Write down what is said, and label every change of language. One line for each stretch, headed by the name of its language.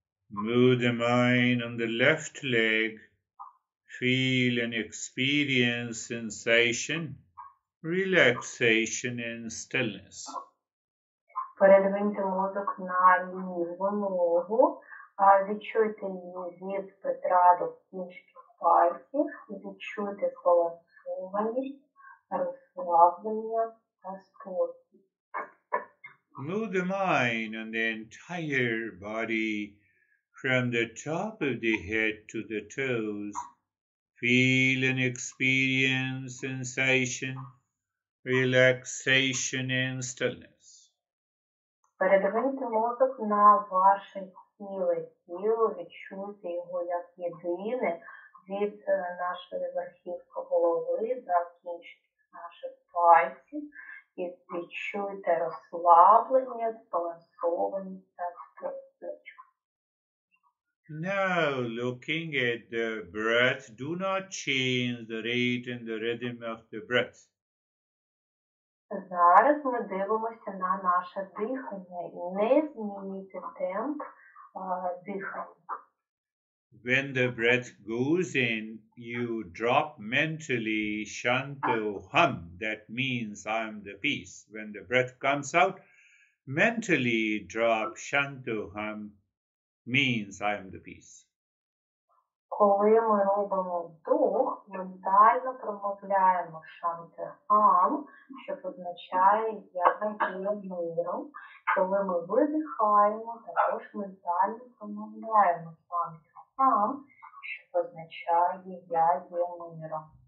English: Move the mind on the left leg, feel and experience sensation, relaxation and stillness.
Ukrainian: Передвиньте мозок на ліву ногу, відчуйте її від бедра до кінчиків пальців, відчуйте збалансованість, розслаблення та спокій.
English: Move the mind on the entire body from the top of the head to the toes. Feel and experience sensation, relaxation and stillness.
Ukrainian: Передвиньте мозок на ваше тіле, тіло відчути його як єдине від нашої верхівки голови, закінчити наші пальці і відчуйте розслаблення, збалансованість та спокійність.
English: Now, looking at the breath, do not change the rate and the rhythm of the breath.
Ukrainian: Зараз ми дивимося на наше дихання. Не змінюйте темп дихання.
English: When the breath goes in, you drop mentally
Sanskrit: shanto hum.
English: That means I am the peace. When the breath comes out, mentally drop
Sanskrit: shanto hum.
English: Means I am the peace.
Ukrainian: Коли ми робимо вдох, ментально промовляємо шанти ам, що означає я є миром. Коли ми видихаємо, також ментально промовляємо шанти ам, що означає я є миром.